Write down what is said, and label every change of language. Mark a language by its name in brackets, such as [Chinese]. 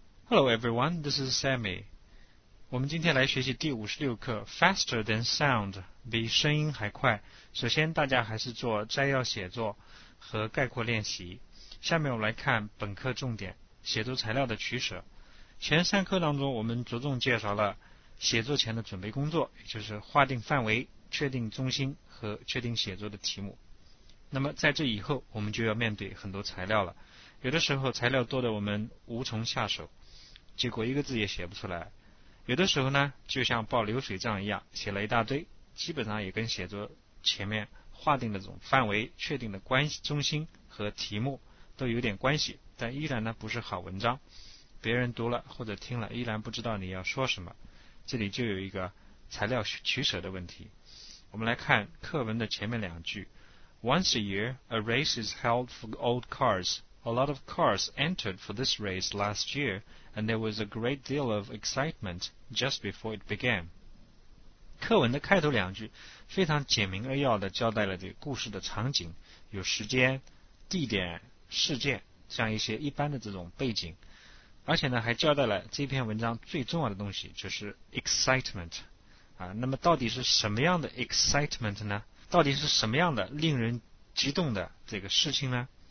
[English] Hello everyone, this is Sammy. [Chinese] 我们今天来学习第56课 [English] Faster than sound, [Chinese] 比声音还快。首先大家还是做摘要写作和概括练习。下面我们来看本课重点，写作材料的取舍。前三课当中我们着重介绍了写作前的准备工作，也就是划定范围、确定中心和确定写作的题目。那么在这以后我们就要面对很多材料了，有的时候材料多的我们无从下手，结果一个字也写不出来，有的时候呢就像报流水账一样，写了一大堆，基本上也跟写作前面划定的这种范围、确定的关系中心和题目都有点关系，但依然呢不是好文章，别人读了或者听了依然不知道你要说什么，这里就有一个材料取舍的问题。我们来看课文的前面两句。 [English] Once a year, a race is held for old cars. A lot of cars entered for this race last year, and there was a great deal of excitement just before it began. [Chinese] 课文的开头两句非常简明扼要地交代了这个故事的场景，有时间、地点、事件，这样一些一般的这种背景，而且呢还交代了这篇文章最重要的东西，就是 excitement。啊，那么到底是什么样的 excitement 呢？到底是什么样的令人激动的这个事情呢？